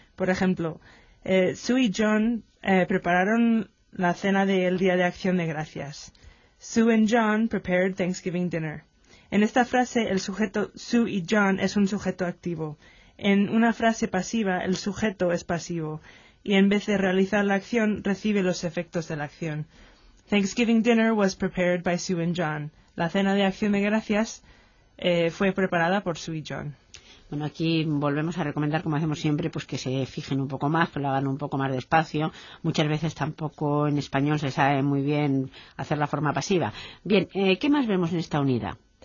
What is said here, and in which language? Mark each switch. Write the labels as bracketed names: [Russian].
[Spanish] Por ejemplo, Sue y John prepararon la cena del Día de Acción de Gracias. [English] Sue and John prepared Thanksgiving dinner. [Spanish] En esta frase, el sujeto Sue y John es un sujeto activo. En una frase pasiva, el sujeto es pasivo y en vez de realizar la acción, recibe los efectos de la acción. [English] Thanksgiving dinner was prepared by Sue and John. [Spanish] La cena de Acción de Gracias fue preparada por Sue y John. Bueno, aquí volvemos a recomendar, como hacemos siempre, pues que se fijen un poco más, que lo hagan un poco más despacio. Muchas veces tampoco en español se sabe muy bien hacer la forma pasiva. Bien, ¿qué más vemos en esta unidad?